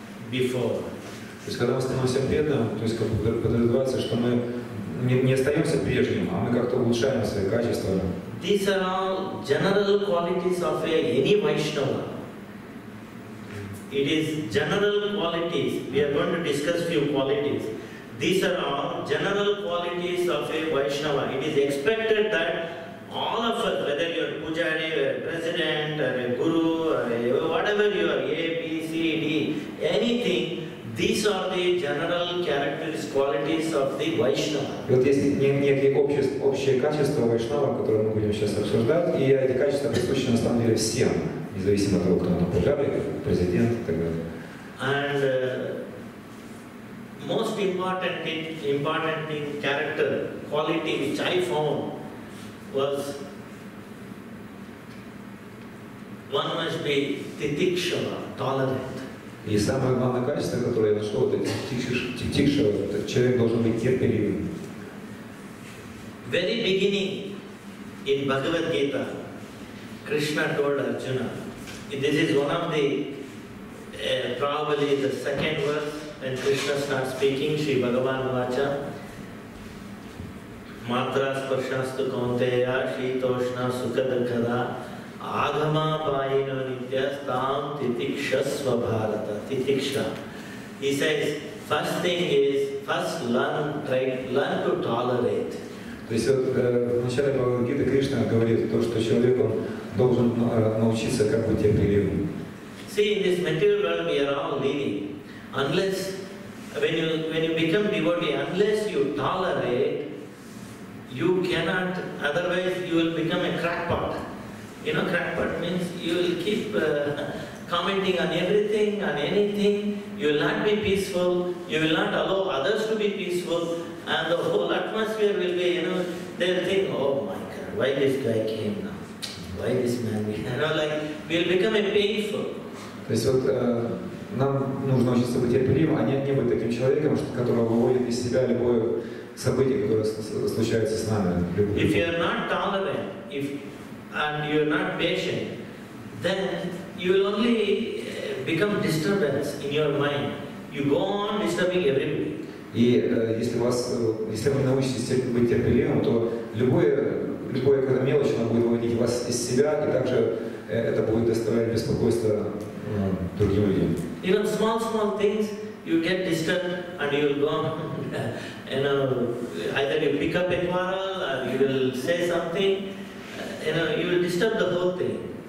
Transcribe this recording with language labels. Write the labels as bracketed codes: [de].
[ru] То есть, когда мы становимся преданным, то есть, как подразумевается, что мы не остаемся прежним, а мы как-то улучшаем свои качества. [en] These are all general qualities of any Vaishnava. It is general qualities. We are going to discuss few qualities. These are all general qualities of a Vaishnava. It is expected that all of us, whether you are pujari, or a president, or a guru, or whatever you are, A, B, C, D, anything, these are the general characteristics, qualities of the Vaishnava. [ru] Вот есть некие общие качества Вайшнава, которые мы будем сейчас обсуждать, и эти качества присущи на самом деле всем, независимо от того, кто на пуджаре, президент и так далее. [en] And most important thing, character, quality which I found was one must be titikshava, tolerant. [ru] И самое главное качество, которое я нашел, это титикшава, человек должен быть терпеливым. [en] Very beginning in Bhagavad Gita, Krishna told Arjuna, this is one of the probably the second verse when Krishna starts speaking, Sri Bhagavan Vacha. [sa] Matra sparshastu kaunteya shitoshna sukadakada agama payino nityastam titikshasva bharata titiksha. [en] He says, first thing is, first learn to tolerate. [ru] То есть вот в начале Бхагавад Гиты Кришна говорит то, что человек он должен научиться как бы терпеливым. [en] See, in this material world we are all living. Unless, when you become devotee, unless you tolerate, you cannot, otherwise you will become a crackpot. You know, crackpot means you will keep commenting on everything, on anything. You will not be peaceful. You will not allow others to be peaceful. And the whole atmosphere will be, you know, they'll think, oh my God, why this guy came now? Why this man? You know, like, we'll become a painful. [ru] То есть вот нам нужно учиться быть терпеливым, а не быть таким человеком, который выводит из себя любое событие, которое случается с нами. [en] If you are not tolerant, and you are not patient, then you will only become disturbance in your mind. You go on disturbing everybody. [ru] И если вы научитесь быть терпеливым, то любое какая-то мелочь, она будет выводить вас из себя, и также это будет доставлять беспокойство другим людям. [en] You know, small things, you get disturbed and you will go on. And either you pick up a quarrel or you will say something. You will disturb the whole thing.